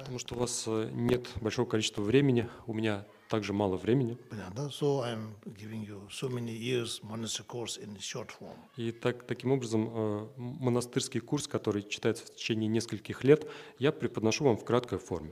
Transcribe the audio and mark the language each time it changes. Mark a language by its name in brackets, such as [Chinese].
[Russian] Потому что у вас нет большого количества времени, у меня также мало времени. Понятно. [English] So I'm giving you so many years monastic course in short form. [Russian] И таким образом монастырский курс, который читается в течение нескольких лет, я преподношу вам в краткой форме.